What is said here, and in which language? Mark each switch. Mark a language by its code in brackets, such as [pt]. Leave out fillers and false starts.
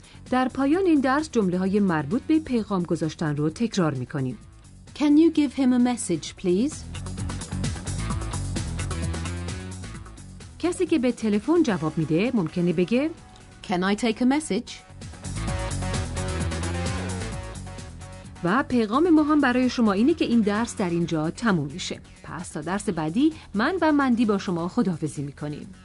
[fa] در پایان این درس جمله‌های مربوط به پیغام گذاشتن رو تکرار می‌کنیم. [en] Can you give him a message, please? [fa] کسی که به تلفن جواب میده ممکنه بگه [en] Can I take a message? [fa] و پیغام ما هم برای شما اینه که این درس در اینجا تموم میشه. پس تا درس بعدی من و مندی با شما خداحافظی میکنیم.